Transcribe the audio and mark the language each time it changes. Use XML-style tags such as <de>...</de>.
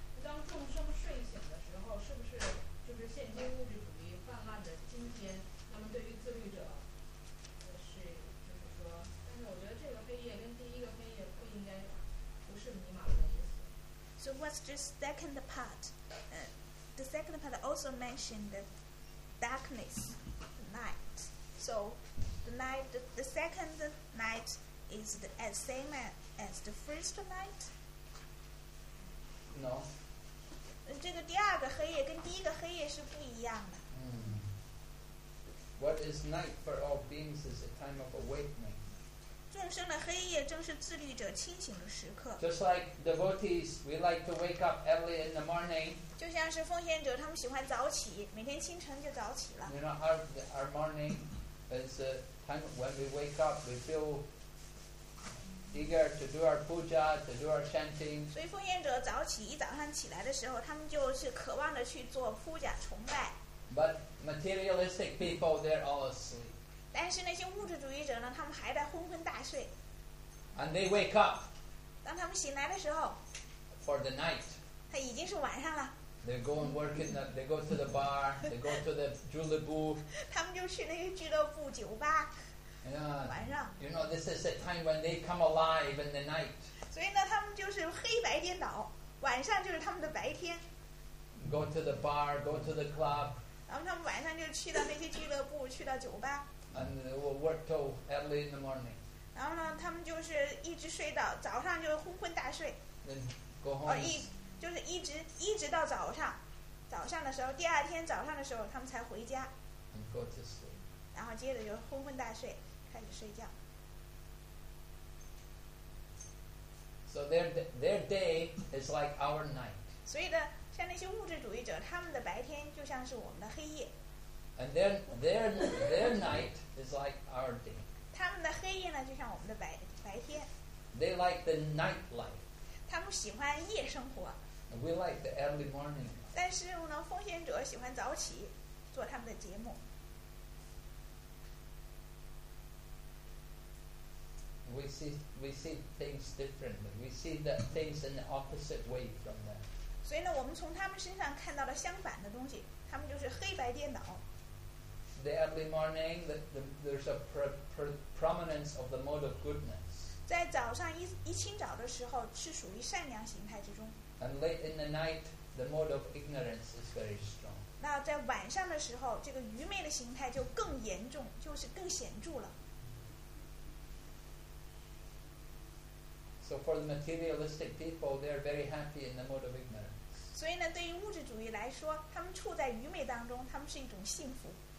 <zh>当众生睡醒的时候，是不是就是现今物质主义泛滥的今天？那么对于自律者，是就是说，但是我觉得这个黑夜跟第一个黑夜不应该不是迷茫的。</zh> <en>So what's the second part? The second part also mentioned the darkness, the night. So the night, the second night is the as same as the first night? No.</en> <zh>这个第二个黑夜跟第一个黑夜是不一样的。</zh> <en>What is night for all beings is a time of awakening.</en> <zh>众生的黑夜正是自律者清醒的时刻。</zh> <en>Just like devotees, we like to wake up early in the morning.</en> <zh>就像是奉献者，他们喜欢早起，每天清晨就早起了。</zh> <en>You know, our morning is a time when we wake up, we feel eager to do our puja, to do our chanting.</en> <zh>所以奉献者早起，一早上起来的时候，他们就是渴望的去做puja崇拜。</zh> <en>But materialistic people, they're all asleep.</en> <zh>但是那些物质主义者呢，他们还在昏昏大睡。</zh> <en>And they wake up.</en> <zh>当他们醒来的时候。</zh> <en>For the night.</en> <zh>他已经是晚上了。</zh> <en>They go and work in the. They go to the bar. They go to the julebu.</en> <zh>他们就去那些俱乐部酒吧。</zh> <en>Yeah.</en> <zh>晚上。</zh> <en>You know, this is the time when they come alive in the night.</en> <zh>所以呢，他们就是黑白颠倒，晚上就是他们的白天。</zh> <en>Go to the bar. Go to the club.</en> <zh>然后他们晚上就去到那些俱乐部，去到酒吧。</zh> <en>And they will work till early in the morning.</en> <zh>然后呢，他们就是一直睡到早上，就昏昏大睡。</zh> <en>Then go home.</en> <zh>就是一直到早上，早上的时候，第二天早上的时候，他们才回家。</zh> <en>And go to sleep.</en> <zh>然后接着就昏昏大睡，开始睡觉。</zh> <en>So their day is like our night.</en> <zh>所以呢，像那些物质主义者，他们的白天就像是我们的黑夜。</zh> <en>And their night is like our day.</en> <zh>他们的黑夜呢，就像我们的白天。</zh> <en>They like the night life.</en> <zh>他们喜欢夜生活。</zh> <en>We like the early morning.</en> <zh>但是呢，奉献者喜欢早起，做他们的节目。</zh> <en>We see things differently. We see the things in the opposite way from them.</en> <zh>所以呢，我们从他们身上看到了相反的东西，他们就是黑白颠倒。</zh> <en>The early morning, there's a prominence of the mode of goodness.</en> <zh>在早上一清早的时候，是属于善良形态之中。</zh> <en>And late in the night, the mode of ignorance is very strong.</en> <zh>那在晚上的时候，这个愚昧的形态就更严重，就是更显著了。</zh> <en>So for the materialistic people, they are very happy in the mode of ignorance.</en> <zh>所以呢，对于物质主义来说，他们处在愚昧当中，他们是一种幸福。</zh>